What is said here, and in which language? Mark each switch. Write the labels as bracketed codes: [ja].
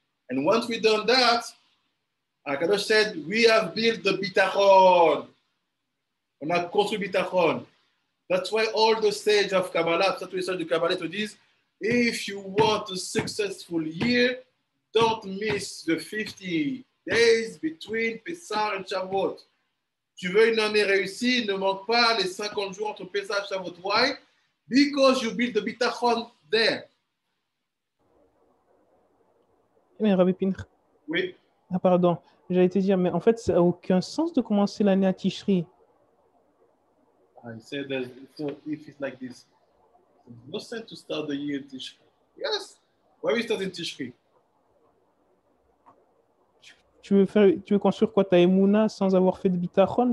[en] And once we've done that, HaKadosh said, we have built the Bitachon. [fr] On a construit Bitachon. [en] That's why all the sages of Kabbalah, that's why the sages of Kabbalah to this, if you want a successful year, don't miss the 50 days between Pesach and Shavuot. [fr] Tu veux une année réussie, ne manque pas les 50 jours entre Pesach et Shavuot. [en] Why? Because you build the Bitachon there. [fr] Mais Rabbi Pinch. Oui. Ah, pardon. J'allais te dire, mais en fait, ça n'a aucun sens de commencer l'année à Tishri. [en] I said that so if it's like this, no sense to start the year in Tishri. Yes. Why are we starting Tishri? [fr] Tu veux construire quoi ta Emouna sans avoir fait de Bitachon?